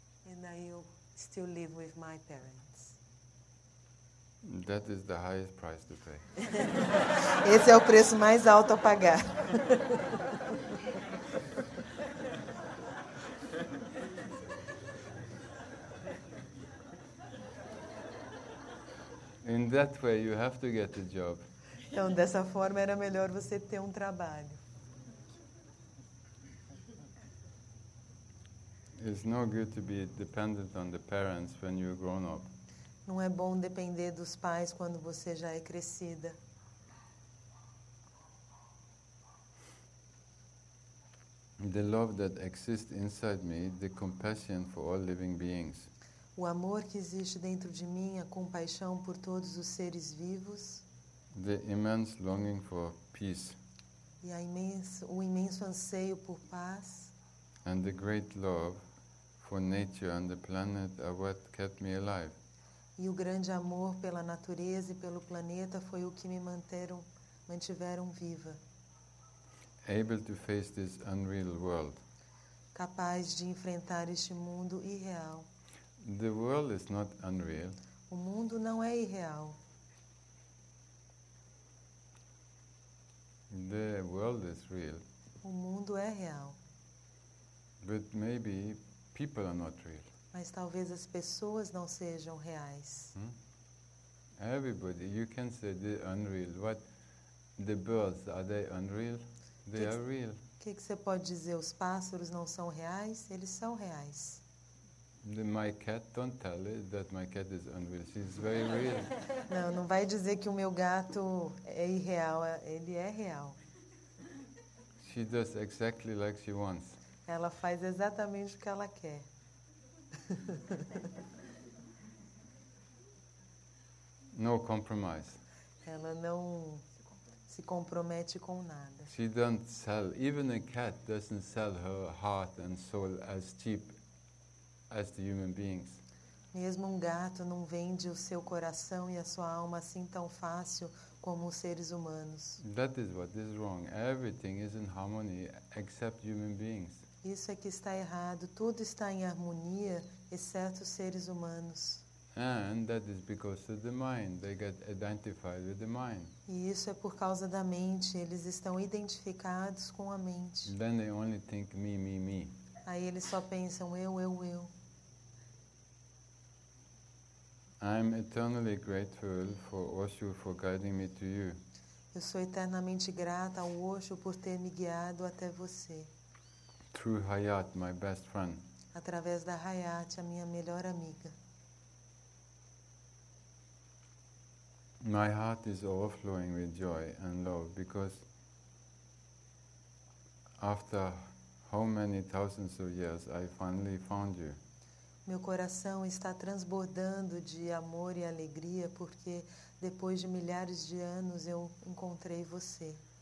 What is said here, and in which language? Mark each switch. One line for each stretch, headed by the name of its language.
English: And I still live with my parents. That is the highest price to pay.
Portuguese: Esse é o preço mais alto a pagar.
English: In that way, you have to get a job.
Portuguese: Então, dessa forma, era melhor você ter um trabalho.
English: It's no good to be dependent on the parents when you're grown up.
Portuguese: Não é bom depender dos pais quando você já é crescida.
English: The love that exists inside me, the compassion for all living beings.
Portuguese: O amor que existe dentro de mim, a compaixão por todos os seres vivos.
English: The immense longing for peace.
Portuguese: E o imenso anseio por paz.
English: And the great love for nature and the planet are what kept me alive.
Portuguese: E o grande amor pela natureza e pelo planeta foi o que me mantiveram viva.
English: Able to face this unreal world.
Portuguese: Capaz de enfrentar este mundo irreal.
English: The world is not unreal.
Portuguese: O mundo não é irreal.
English: The world is real.
Portuguese: O mundo é real.
English: But maybe people are not real.
Portuguese: Mas talvez as pessoas não sejam reais. Hmm?
English: Everybody, you can say they're unreal. What the birds, are they unreal? They are real.
Portuguese: Que você pode dizer? Os pássaros não são reais? Eles são reais.
English: My cat, don't tell it that my cat is unreal. She's very real.
Portuguese: Não, não vai dizer que o meu gato é irreal. Ele é real.
English: She does exactly like she wants.
Portuguese: Ela faz exatamente o que ela quer.
English: No compromise.
Portuguese: Ela não se compromete com nada.
English: She doesn't sell. Even a cat doesn't sell her heart and soul as cheap as the human beings.
Portuguese: Mesmo um gato não vende o seu coração e a sua alma assim tão fácil como os seres humanos.
English: That is what is wrong. Everything is in harmony except human beings.
Portuguese: Isso é que está errado. Tudo está em harmonia, exceto os seres humanos.
English: And that is because of the mind. They get identified with the mind.
Portuguese: E isso é por causa da mente. Eles estão identificados com a mente.
English: Then they only think me, me, me.
Portuguese: Aí eles só pensam eu.
English: I'm eternally grateful for Osho for guiding me to you.
Portuguese: Eu sou eternamente grata ao Osho por ter me guiado até você.
English: Through Hayat, my best friend.
Portuguese: Através da Hayat, a minha melhor amiga.
English: My heart is overflowing with joy and love because after how many thousands of years I finally found you.
Portuguese: Meu coração está transbordando de amor e alegria porque depois de milhares de anos eu encontrei você.